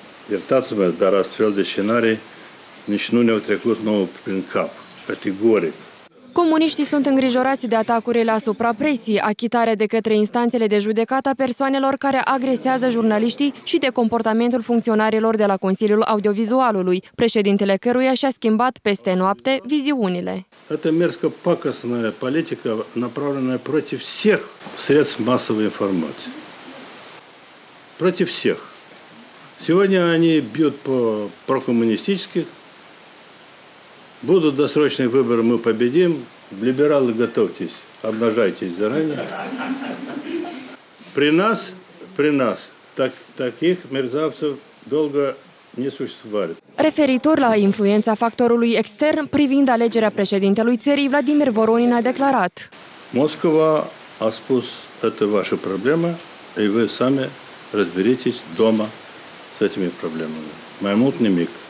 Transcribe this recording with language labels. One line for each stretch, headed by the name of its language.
Romanian: Iertați-mă, dar astfel de scenarii nici nu ne-au trecut nouă prin cap, categoric. Comuniștii sunt îngrijorați de atacurile asupra presii, achitarea de către instanțele de judecată a persoanelor care agresează jurnaliștii și de comportamentul funcționarilor de la Consiliul Audiovizualului, președintele căruia și-a schimbat peste noapte viziunile.
Russian: Это мерзко пакостная политика, направленная против всех средств массовой информации. Против всех. Сегодня они бьют по прокоммунистических. Будут досрочные выборы, мы победим. Либералы, готовьтесь, обнажайтесь заранее. При нас таких мерзавцев долго не существовали.
Romanian: Referitor la influența factorului extern privind alegerea președintelui țării, Vladimir Voronin a declarat: Moscova a spus că vaša problemă, și voi sami
Russian: разберетесь дома с этими проблемами.
Romanian: Mai mult nimic.